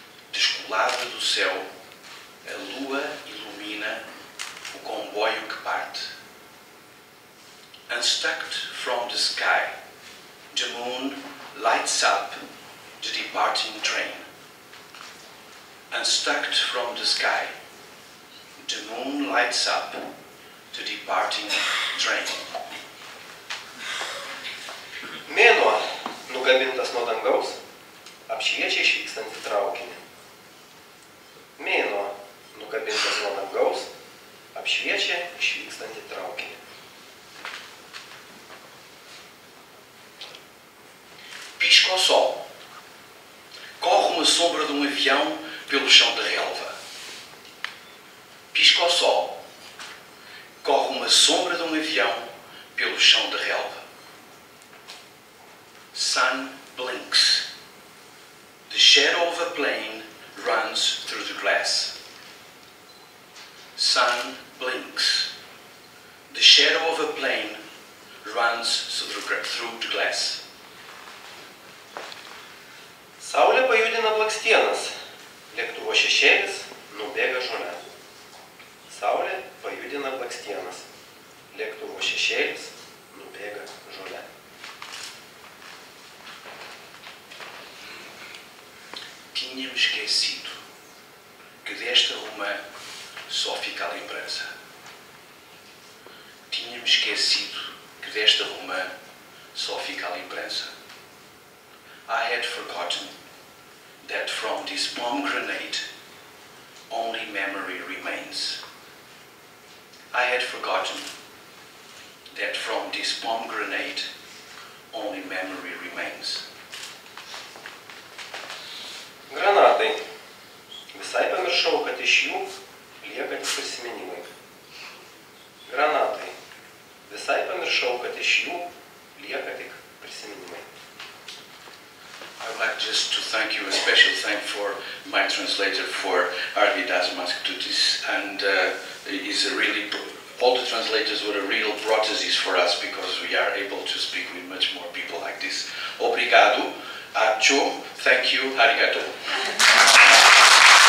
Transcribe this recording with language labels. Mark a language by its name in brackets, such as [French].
[Portuguese] Descolada do céu, a lua ilumina o comboio que parte. [English] Unstucked from the sky, the moon lights up the departing train. Unstucked from the sky, the moon lights up the departing train. [Lithuanian] Mėnuo, nugabintas nuo dangaus, apšviečia išvykstantį traukinį. Mėnuo, nugabintas nuo dangaus, apšviečia išvykstantį traukinį. [Portuguese] Pisca o sol. Corre uma sombra de um avião pelo chão da relva. Pisca o sol. Corre uma sombra de um avião pelo chão da relva. [English] Sun blinks. The shadow of a plane runs through the grass. Sun blinks. The shadow of a plane runs through the glass. [Lithuanian] Saulė pajudina blakstienas. Lėktuvo šešėlis nubėga žole. Saulė pajudina blakstienas. Lėktuvo šešėlis nubėga žole. [Portuguese] Tinha-me esquecido que desta romã só fica a lembrança. Tinha-me esquecido que desta romã só fica a lembrança. [English] I had forgotten that from this pomegranate only memory remains. I had forgotten that from this pomegranate only memory remains. [Lithuanian] Granatai. Visai pamiršau, kad iš jų lieka tik prisiminimai. Granatai. Visai pamiršau, kad iš jų lieka tik prisiminimai. [English] I would like just to thank you, a special thank for my translator for Arvidas Maskutis, and is a really, all the translators were a real prosthesis for us because we are able to speak with much more people like this. [Portuguese] Obrigado. Acho, [English] thank you, arigato.